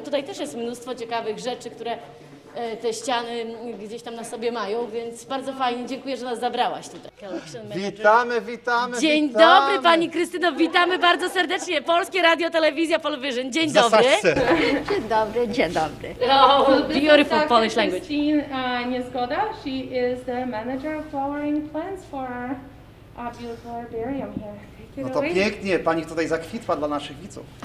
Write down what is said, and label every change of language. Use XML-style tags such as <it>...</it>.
<pl>Tutaj też jest mnóstwo ciekawych rzeczy, które te ściany gdzieś tam na sobie mają, więc bardzo fajnie, dziękuję, że nas zabrałaś tutaj. Witamy, witamy, dzień witamy. Dobry Pani Krystyno, witamy bardzo serdecznie. Polskie Radio Telewizja Polvision, dzień dobry. Dzień dobry, dzień dobry.</pl> <en>Oh, beautiful Polish language. Christine Niezgoda, she is the manager of flowering plants for our beautiful herbarium here.</en> <pl>No to pięknie, Pani tutaj zakwitła dla naszych widzów.</pl>